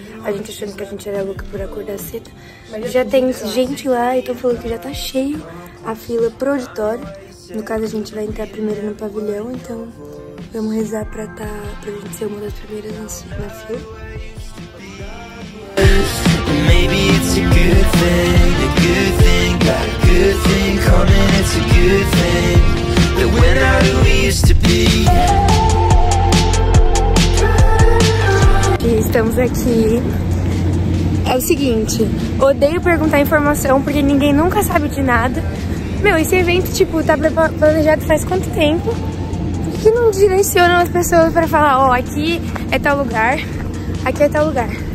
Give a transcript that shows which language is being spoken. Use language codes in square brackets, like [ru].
[pt] A gente achando que a gente era louca por acordar cedo. Já tem gente lá, então falou que já tá cheio a fila pro auditório. No caso, a gente vai entrar primeiro no pavilhão, então vamos rezar pra tá, pra gente ser uma das primeiras na fila. [en] Maybe it's a good thing, got a good thing coming, it's a good thing that we're not who we used to be. [pt] E estamos aqui. É o seguinte, odeio perguntar informação porque ninguém nunca sabe de nada. Meu, esse evento, tipo, tá planejado faz quanto tempo? Por que não direcionam as pessoas pra falar, ó, aqui é tal lugar, aqui é tal lugar?